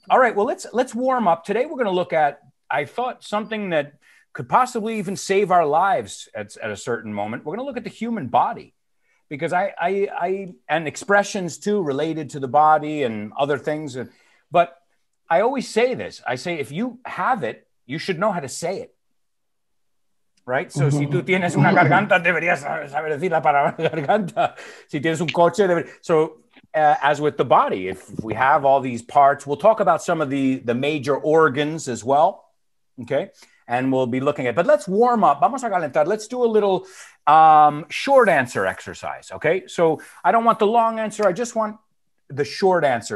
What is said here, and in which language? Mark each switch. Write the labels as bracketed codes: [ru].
[en] All right, well, let's warm up. Today we're going to look at, I thought, something that could possibly even save our lives at a certain moment. We're going to look at the human body, because I and expressions too related to the body and other things. But I always say this. I say, if you have it, you should know how to say it. Right? [es] So, si tú tienes una garganta, deberías saber decir la palabra garganta. Si tienes un coche, [en] as with the body, if we have all these parts, we'll talk about some of the major organs as well, okay? And we'll be looking at, but let's warm up. [es] Vamos a calentar. [en] Let's do a little short answer exercise, okay? So, I don't want the long answer. I just want the short answer.